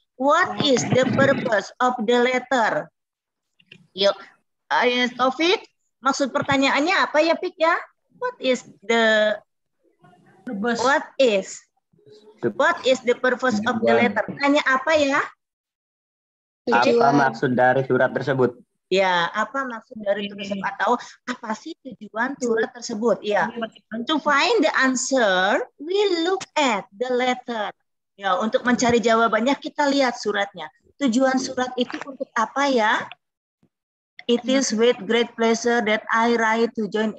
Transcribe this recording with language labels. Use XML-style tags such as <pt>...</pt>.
<en>What is the purpose of the letter? Yuk, Taufik,</en> <id>maksud pertanyaannya apa ya,</id> <en>Pik ya? What is the purpose? What is the purpose of the letter?</en> <id>Tanya apa ya? Apa maksud dari surat tersebut? Ya, apa maksud dari surat tersebut? Atau apa sih tujuan surat tersebut? Ya.</id> <en>To find the answer, we look at the letter.</en> <id>Ya, untuk mencari jawabannya, kita lihat suratnya. Tujuan surat itu untuk apa ya?</id> <en>It is with great pleasure that I write to join.</en>